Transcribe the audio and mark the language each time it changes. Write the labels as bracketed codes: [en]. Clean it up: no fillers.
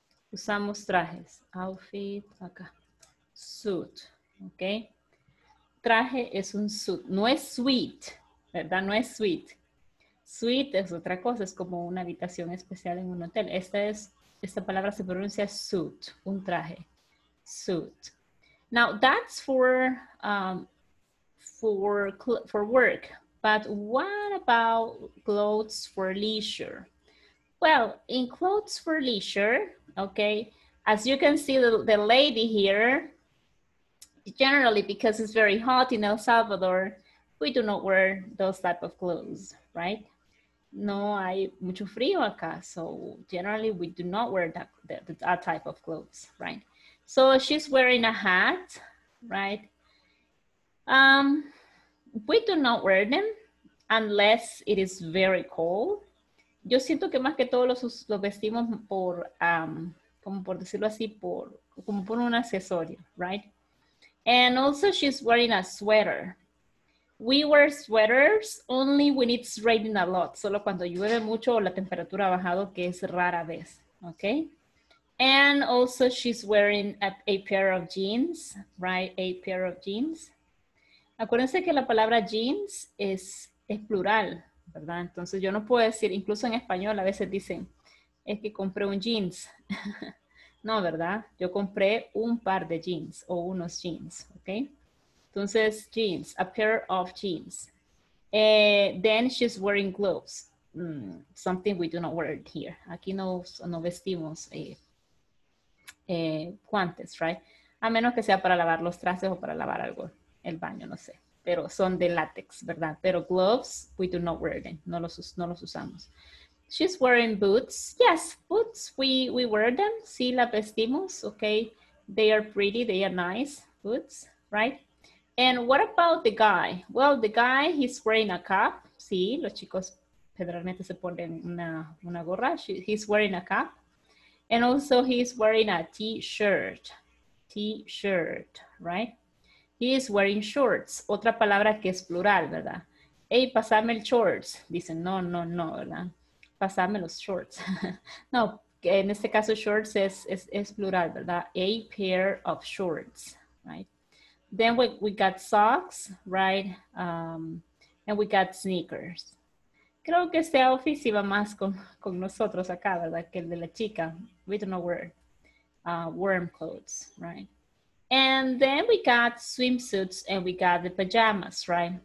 [es] Usamos trajes. Outfit, acá. Suit, okay? Traje es un suit. No es suit, ¿verdad? No es suit. suite es otra cosa, es como una habitación especial en un hotel. Esta es, esta palabra se pronuncia suit, un traje. [en] Suit. Now that's for work, but what about clothes for leisure? Well, in clothes for leisure, okay, as you can see the lady here, generally because it's very hot in El Salvador, we do not wear those type of clothes, right? [es] No hay mucho frío acá, [en] so generally we do not wear that type of clothes, right? So she's wearing a hat, right? We do not wear them unless it is very cold. [es] Yo siento que más que todo los vestimos por, como por decirlo así, por, como por un accesorio, right? [en] And also she's wearing a sweater. We wear sweaters only when it's raining a lot, [es] solo cuando llueve mucho o la temperatura ha bajado, que es rara vez, [en] okay? And also she's wearing a pair of jeans, right? A pair of jeans. [es] Acuérdense que la palabra jeans es plural, ¿verdad? Entonces yo no puedo decir, incluso en español a veces dicen, es que compré un jeans. No, ¿verdad? Yo compré un par de jeans o unos jeans, okay? [en] Entonces, jeans, a pair of jeans. Then she's wearing gloves. Something we do not wear here. [es] Aquí no vestimos guantes, [en] right? [es] A menos que sea para lavar los trastes o para lavar algo, el baño, no sé. Pero son de látex, ¿verdad? Pero gloves, [en] we do not wear them. [es] No los usamos. [en] She's wearing boots. Yes, boots, we wear them. [es] Sí, la vestimos, [en] okay? They are pretty, they are nice, boots, right? And what about the guy? Well, the guy, he's wearing a cap. [es] Sí, los chicos generalmente se ponen una gorra. [en] He's wearing a cap. And also he's wearing a t-shirt. T-shirt, right? He's wearing shorts. [es] Otra palabra que es plural, ¿verdad? Hey, pasame el shorts. Dicen, no, ¿verdad? Pasame los shorts. No, en este caso shorts es plural, ¿verdad? [en] A pair of shorts, right? Then we got socks, right? And we got sneakers. [es] Creo que este outfit iba más con nosotros acá, ¿verdad? Que el de la chica. [en] We don't know where. Warm clothes, right? And then we got swimsuits and we got the pajamas, right?